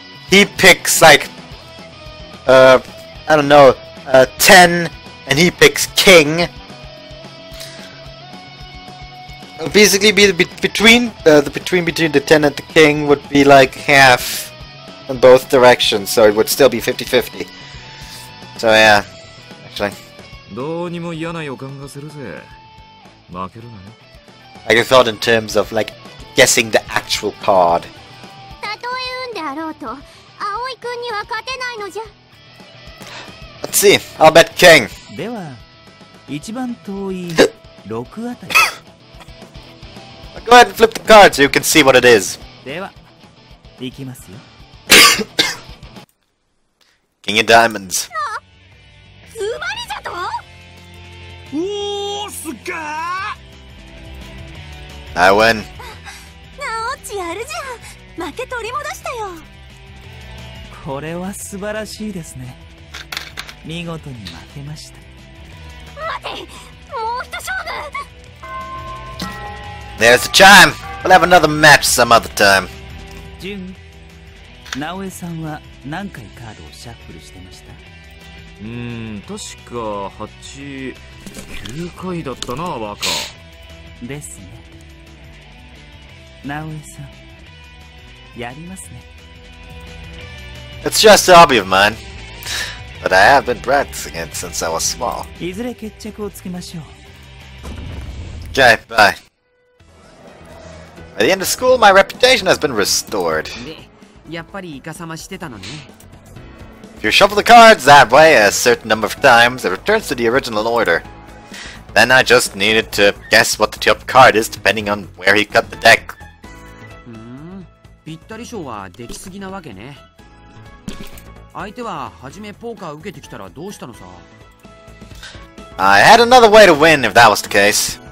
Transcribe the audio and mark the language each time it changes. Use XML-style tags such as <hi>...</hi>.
<en>He picks like, I don't know, 10, and he picks king. Basically, between the 10 and the king would be like half in both directions, so it would still be 50-50. So yeah, actually.</en> <ja>どうにも嫌な予感がするぜ。負けるなよ。</ja> <en>Like I thought in terms of like guessing the actual card.</en> <ja>たとえ運であろうと。葵くんには勝てないのじゃ。</ja> <en>Let's see. I'll bet King.</en> <ja>では、一番遠い六あたり。</ja> <en>Go ahead and flip the cards so you can see what it is.</en> <ja>では、行きますよ。</ja> <en>King of Diamonds.</en> <ja>生まれじゃと？おーすか？</ja> <en>I win.</en> <ja>なおちやるじゃん。負け取り戻したよ。これは素晴らしいですね。見事に負けました。待て、もう一勝負。</ja> <en>There's the chime. We'll have another match some other time.</en> <ja>ジュン、ナオエさんは何回カードをシャッフルしてました？確か8、9回だったな、バカ。ですね。ナオエさん、やりますね。</ja> <en>It's just a hobby of mine, but I have been practicing it since I was small.</en> <ja>いずれ決着をつけましょう。</ja> <en>Okay, bye. By the end of school, my reputation has been restored.</en> <ja>やっぱりイカサマしてたのね。</ja> <en>If you shuffle the cards that way a certain number of times, it returns to the original order. Then I just needed to guess what the top card is depending on where he cut the deck.</en> <ja>ぴったり賞はできすぎなわけね。相手は初めポーカー受けてきたらどうしたのさ。</ja> <en>I had another way to win if that was the case.</en>